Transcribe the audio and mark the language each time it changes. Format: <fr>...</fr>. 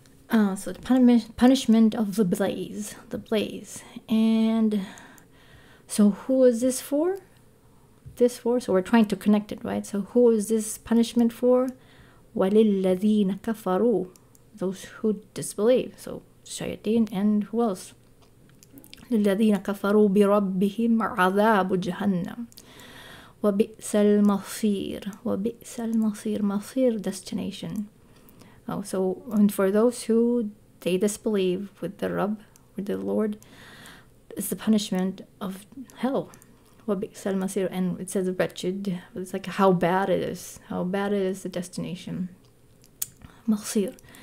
<en>So the punishment of the blaze. And so who is this for? So we're trying to connect it, right? So who is this punishment for?</en> <ar>وَلِلَّذِينَ كَفَرُوا,</ar> <en>those who disbelieve. So shayateen and who else?</en> <ar>لِلَّذِينَ كَفَرُوا بِرَبِّهِمْ عَذَابُ جَهَنَّمْ وَبِئْسَ الْمَصِيرُ وَبِئْسَ الْمَصِيرُ, مَصِيرُ, destination.</ar> <en>Oh, so, and for those who they disbelieve with the Rabb, with the Lord, is the punishment of hell.</en> <ar>وَبِئْسَ الْمَصِيرُ.</ar> <en>And it says wretched. It's like how bad it is. How bad it is, the destination. مَصِير.</en>